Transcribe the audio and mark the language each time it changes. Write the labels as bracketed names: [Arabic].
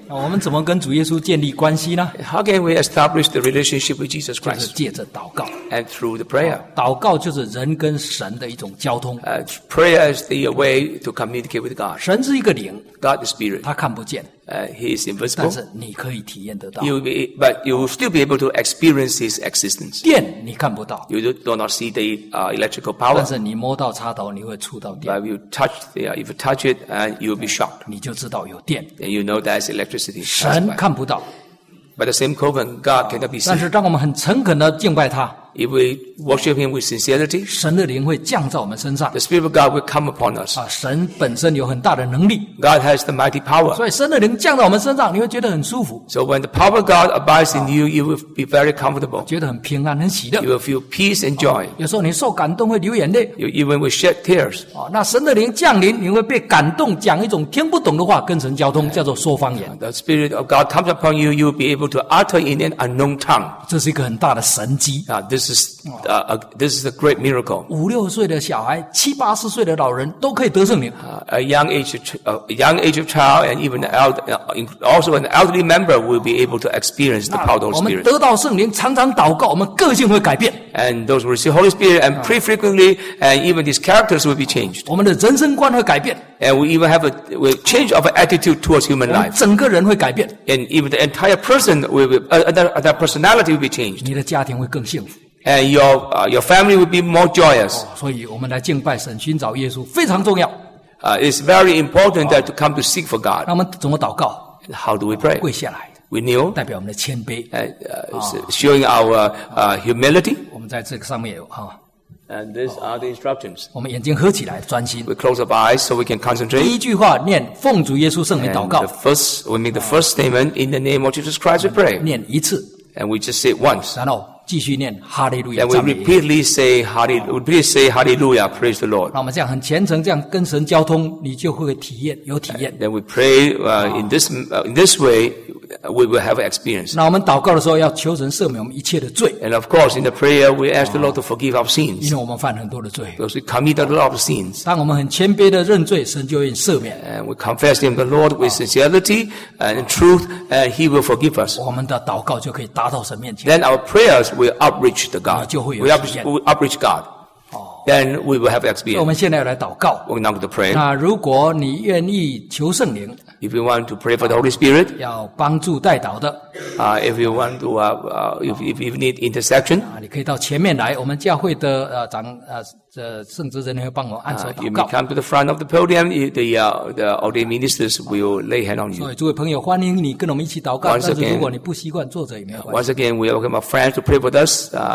[Chinese] 啊，我们怎么跟主耶稣建立关系呢 [English] ？How can we establish the relationship with Jesus Christ? [Chinese] 就是借着祷告。 [English] And through the prayer. [Chinese] 祷告就是人跟神的一种交通。 [English] Prayer is the way to communicate with God. [Chinese] 神是一个灵。 [English] God is spirit. [Chinese] 他看不见。 [English] He is invisible. [Chinese] 但是你可以体验得到。 [English] But you will still be able to experience his existence. [Chinese] 电你看不到。 [English] You do not see the electrical power. [Chinese] 但是你摸到插头，你会触到电。 [English] But if you touch it, you will be shocked. [Chinese] 你就知道有电。 [English] And you know that is electricity. [Chinese] 神看不到。 [English] By the same token, God cannot be seen. [Chinese] 但是当我们很诚恳地敬拜他。 [English] If we worship him with sincerity, [Chinese] 神的灵会降在我们身上。 [English] The Spirit of God will come upon us. [Chinese] 神本身有很大的能力。 [English] God has the mighty power. [Chinese] 所以神的灵降在我们身上，你会觉得很舒服。 [English] So when the power of God abides in you, you will be very comfortable. [Chinese] 觉得很平安，很喜乐。 [English] You will feel peace and joy. [Chinese] 有时候你受感动会流眼泪。 [English] You even will shed tears. [Chinese] 那神的灵降临，你会被感动，讲一种听不懂的话，跟神交通，叫做说方言。 [English] The Spirit of God comes upon you, you will be able to utter in an unknown tongue. [Chinese] 这是一个很大的神迹。 [English] This is a great miracle. [Chinese] 五六岁的小孩，七八十岁的老人都可以得圣灵。 [English] A young age of child and even an elderly member will be able to experience the power of the Holy Spirit. [Chinese] 我们得到圣灵，常常祷告，我们个性会改变。 [English] And those who receive Holy Spirit and pray frequently, and even these characters will be changed. [Chinese] 我们的人生观会改变。 [English] And we even have a change of attitude towards human life. [Chinese] 整个人会改变。 [English] And even the entire person their personality will be changed. [Chinese] 你的家庭会更幸福。 [English] And your family will be more joyous. [Chinese] 所以我们来敬拜神，寻找耶稣非常重要。 [English] It's very important that to come to seek for God. [Chinese] 那我们怎么祷告 [English] ？How do we pray? [Chinese] 跪下来。 [English] We kneel. [Chinese] 代表我们的谦卑。 [English] Showing our humility. [Chinese] 我们在这个上面有哈。 [English] And these are the instructions. [Chinese] 我们眼睛合起来，专心。 [English] We close our eyes so we can concentrate. [Chinese] 第一句话念奉主耶稣圣名祷告。 [English] We make the first statement in the name of Jesus Christ. We pray. [Chinese] 念一次。 [English] And we just say it once. [Chinese] 然后。继续念哈利路亚。 [English] And we repeatedly say Hallelujah, praise the Lord. [Chinese] 那我们这样很虔诚，这样跟神交通，你就会体验有体验。 [English] Then we pray in this way, we will have experience. [Chinese] 那我们祷告的时候要求神赦免我们一切的罪。 [English] And of course, in the prayer, we ask the Lord to forgive our sins. [Chinese] 因为我们犯很多的罪。 [English] Because we committed a lot of sins. [Chinese] 当我们很谦卑的认罪，神就愿赦免。 [English] And we confess to the Lord with sincerity and truth, and He will forgive us. [Chinese] 我们的祷告就可以达到神面前。 [English] Then our prayers. We'll outreach God. Then we will have experience. [Chinese] 我们现在要来祷告。 [English] We're now going to pray. [Chinese] 那如果你愿意求圣灵。 [English] If you want to pray for the Holy Spirit, [Chinese] 要帮助代祷的 [English] if you want to, if you need intercession, [Chinese] 你可以到前面来，我们教会的长圣职人员会帮我按手祷告。 [English] You may come to the front of the podium, the ordained ministers will lay hand on you. [Chinese] 所以诸位朋友，欢迎你跟我们一起祷告。 [English] Once again, [Chinese] 但是如果你不习惯坐着也没有关系。 [English] Once again, we welcome our friends to pray with us.